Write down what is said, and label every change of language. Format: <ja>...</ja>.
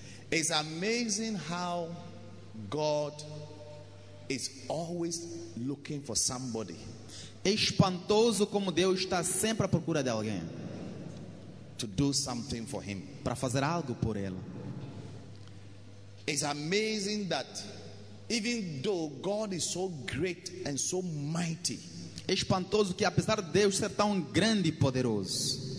<en>It's amazing how God is always looking for somebody.</en> <pt>Espantoso como Deus está sempre à procura de alguém.</pt> <en>To do something for him.</en> <pt>Para fazer algo por ele.</pt> <en>It's amazing that even though God is so great and so mighty.</en> <pt>Espantoso que apesar de Deus ser tão grande e poderoso,</pt>